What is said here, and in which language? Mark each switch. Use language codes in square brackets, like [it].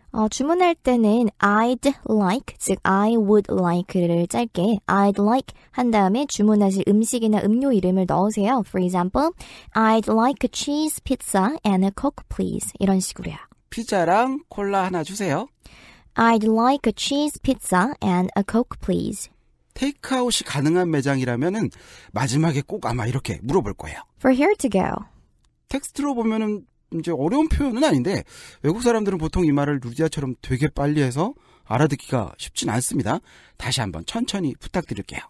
[ko] 주문할 때는 I'd like, 즉 [en] I would like [ko] 를 짧게 I'd like 한 다음에 주문하실 음식이나 음료 이름을 넣으세요. [en] For example, I'd like a cheese pizza and a coke please. [ko] 이런 식으로요. 피자랑 콜라 하나 주세요. [en] I'd like a cheese pizza and a coke please. [ko] 테이크아웃이 가능한 매장이라면은 마지막에 꼭 아마 이렇게 물어볼 거예요. [en] For here to go. [ko] 텍스트로 보면은 이제 어려운 표현은 아닌데 외국 사람들은 보통 이 말을 루디아처럼 되게 빨리 해서 알아듣기가 쉽진 않습니다. 다시 한번 천천히 부탁드릴게요.